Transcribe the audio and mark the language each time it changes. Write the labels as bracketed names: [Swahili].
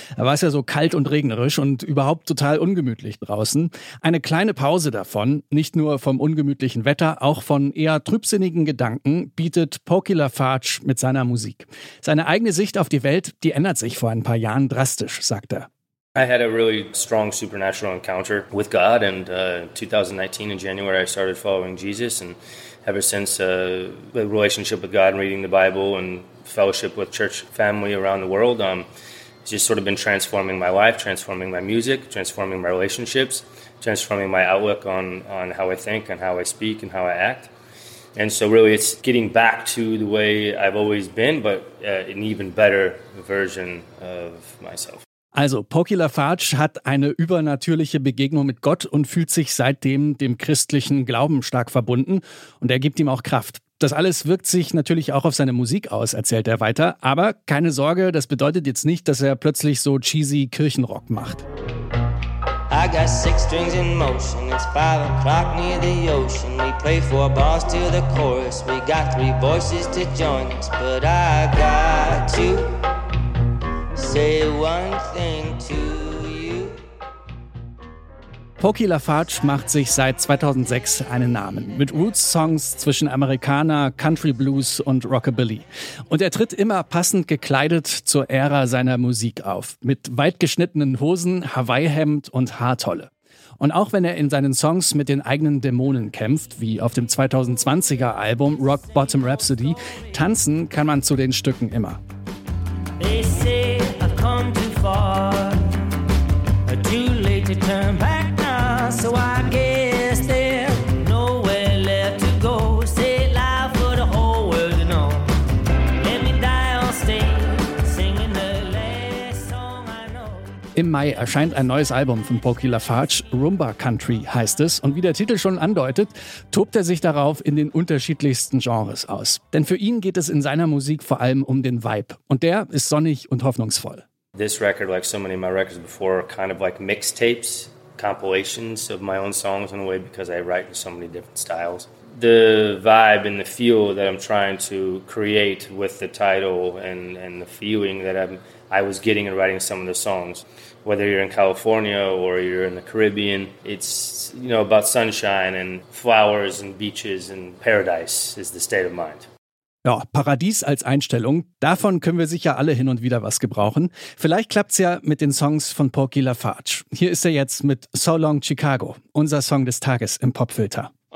[German] Da war es ja so kalt und regnerisch und überhaupt total ungemütlich draußen. Eine kleine Pause davon, nicht nur vom ungemütlichen Wetter, auch von eher trübsinnigen Gedanken, bietet Pokey Lafarge mit seiner Musik. Seine eigene Sicht auf die Welt, die ändert sich vor ein paar Jahren drastisch, sagt er. [English] I had a really strong supernatural encounter with God, and 2019 in January I started following Jesus, and ever since the relationship with God and reading the Bible and fellowship with church family around the world, it's just sort of been transforming my life, transforming my music, transforming my relationships, transforming my outlook on how I think and how I speak and how I act. And so really it's getting back to the way I've always been, but an even better version of myself. [German] Also, Pokey Lafarge hat eine übernatürliche Begegnung mit Gott und fühlt sich seitdem dem christlichen Glauben stark verbunden. Und er gibt ihm auch Kraft. Das alles wirkt sich natürlich auch auf seine Musik aus, erzählt er weiter. Aber keine Sorge, das bedeutet jetzt nicht, dass er plötzlich so cheesy Kirchenrock macht. [English] I got six strings in motion, it's 5 o'clock near the ocean. We play 4 bars to the chorus, we got 3 voices to join us. But I got you. Say one thing to you. [German] Pokey Lafarge macht sich seit 2006 einen Namen mit Roots-Songs zwischen Amerikaner, Country Blues und Rockabilly. Und er tritt immer passend gekleidet zur Ära seiner Musik auf. Mit weit geschnittenen Hosen, Hawaii-Hemd und Haartolle. Und auch wenn er in seinen Songs mit den eigenen Dämonen kämpft, wie auf dem 2020er Album Rock Bottom Rhapsody, tanzen kann man zu den Stücken immer. [English] They say I've come too far, too late to turn back now, so I guess there's nowhere left to go. Say it loud for the whole world to know. Let me die on stage, singing the last song I know. [German] Im Mai erscheint ein neues Album von Pokey Lafarge, Rumba Country heißt es, und wie der Titel schon andeutet, tobt er sich darauf in den unterschiedlichsten Genres aus. Denn für ihn geht es in seiner Musik vor allem um den Vibe. Und der ist sonnig und hoffnungsvoll. [English] This record, like so many of my records before, are kind of like mixtapes, compilations of my own songs in a way, because I write in so many different styles. The vibe and the feel that I'm trying to create with the title and the feeling that I was getting in writing some of the songs, whether you're in California or you're in the Caribbean, it's, you know, about sunshine and flowers and beaches and paradise is the state of mind. [German] Ja, Paradies als Einstellung, davon können wir sicher alle hin und wieder was gebrauchen. Vielleicht klappt's ja mit den Songs von Pokey Lafarge. Hier ist er jetzt mit So Long Chicago, unser Song des Tages im Popfilter.